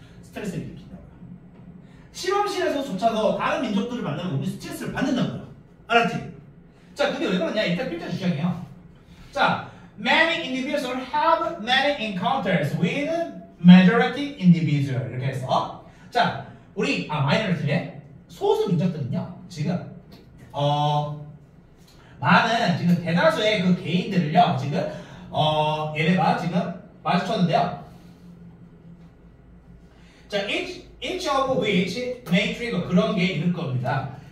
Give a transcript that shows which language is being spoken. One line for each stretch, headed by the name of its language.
Korean: 스트레스를 일으킨다고. 실험실에서조차도 다른 민족들을 만나면 우리 스트레스를 받는다고. 알았지? 자, 그게 왜 그러냐? 일단 필터 주장이에요.
English: 자, many individuals have many encounters with majority individuals.
Korean: 이렇게 해서. 자, 우리, 아, 마이너리티에 소수 민족들은요, 지금, 많은, 지금 대다수의 그 개인들을요, 지금, 얘네가 지금 마주쳤는데요. 자,
English: each of which may trigger
Korean: 그런 게 있을 겁니다.